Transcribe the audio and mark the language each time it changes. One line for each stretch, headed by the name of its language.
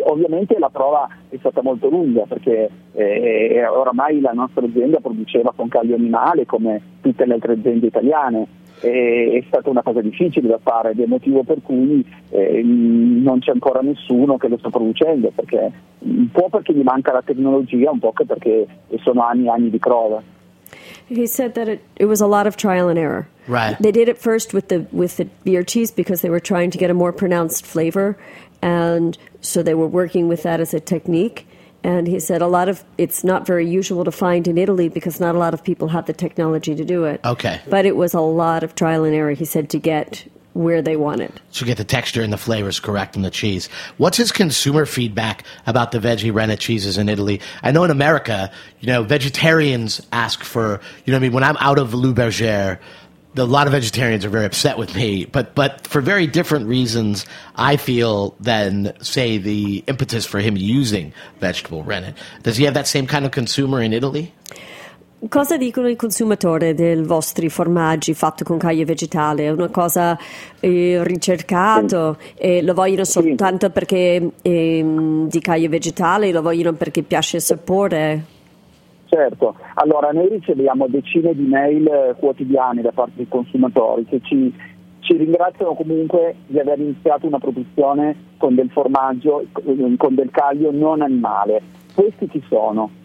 Italian: Ovviamente la prova è stata molto lunga, perché oramai la nostra azienda produceva con caglio animale come tutte le altre aziende italiane. È stata una cosa difficile da fare, ed è motivo per cui non c'è ancora nessuno che lo sta producendo, perché un po' perché gli manca la tecnologia, un po' perché sono anni e anni di prova.
English: He said that it was a lot of trial and error. Right. They did it first with the beer cheese because they were trying to get a more pronounced flavor, and so they were working with that as a technique. And he said it's not very usual to find in Italy because not a lot of people have the technology to do it. Okay. But it was a lot of trial and error, he said, to get where they want it. So get the texture and the flavors correct in the cheese. What's his consumer feedback about the veggie rennet cheeses in Italy? I know in America, you know, vegetarians ask for, you know what I mean? When I'm out of Lou Berger, a lot of vegetarians are very upset with me, but for very different reasons, I feel, than, say, the impetus for him using vegetable rennet. Does he have that same kind of consumer in Italy?
Italian: Cosa dicono i consumatori dei vostri formaggi fatti con caglia vegetale? È una cosa ricercata? Lo vogliono soltanto perché di caglia vegetale? Lo vogliono perché piace il sapore? Certo, allora noi riceviamo decine di mail quotidiani da parte dei consumatori che ci ringraziano comunque di aver iniziato una produzione con del formaggio, con del caglio non animale. Questi chi sono?